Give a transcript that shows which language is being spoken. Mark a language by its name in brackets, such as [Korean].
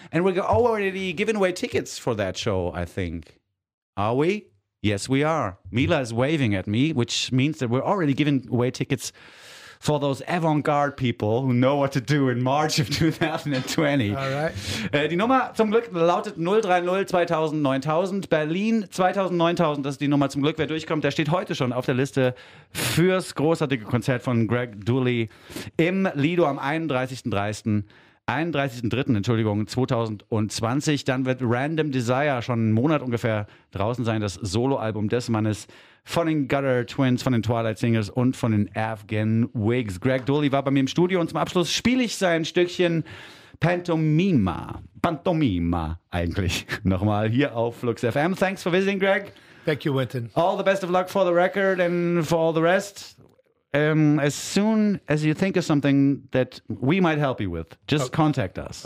[English] And we're already giving away tickets for that show, I think. Are we? Yes, we are. Mila is waving at me, which means that we're already giving away tickets for those avant-garde people who know what to do in March of 2020. All right. [German] Die Nummer zum Glück lautet 030-2000-9000. Berlin 2000-9000, das ist die Nummer zum Glück. Wer durchkommt, der steht heute schon auf der Liste fürs großartige Konzert von Greg Dooley im Lido am 31.03.2020. Dann wird Random Desire schon einen Monat ungefähr draußen sein, das Soloalbum des Mannes von den Gutter Twins, von den Twilight Singers und von den Afghan Whigs. Greg Dooley war bei mir im Studio und zum Abschluss spiele ich sein Stückchen Pantomima eigentlich nochmal hier auf Flux FM. [English] Thanks for visiting, Greg. Thank you, Winton. All the best of luck for the record and for all the rest. As soon as you think of something that we might help you with, just contact us.